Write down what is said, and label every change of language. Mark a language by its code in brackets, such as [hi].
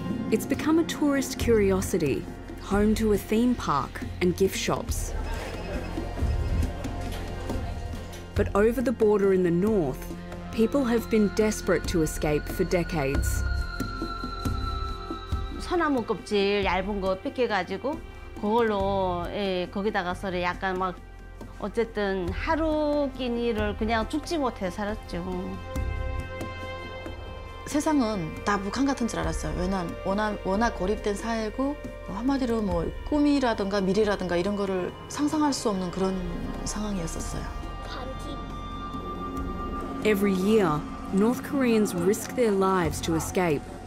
[en] It's become a tourist curiosity, home to a theme park and gift shops. But over the border in the north, people have been desperate to escape for decades. [ko] 소나무 껍질 얇은 거 삐끼 가지고 그걸로 예 거기다가서 약간 막 어쨌든 하루 끼니를 그냥 죽지 못해 살았죠. 세상은 다 북한 같은 줄 알았어요. 왜냐면 워낙 고립된 사회고 한마디로 뭐 꿈이라든가 미래라든가 이런 거를 상상할 수 없는 그런 상황이었었어요. [en] Every year, North Koreans risk their lives to escape.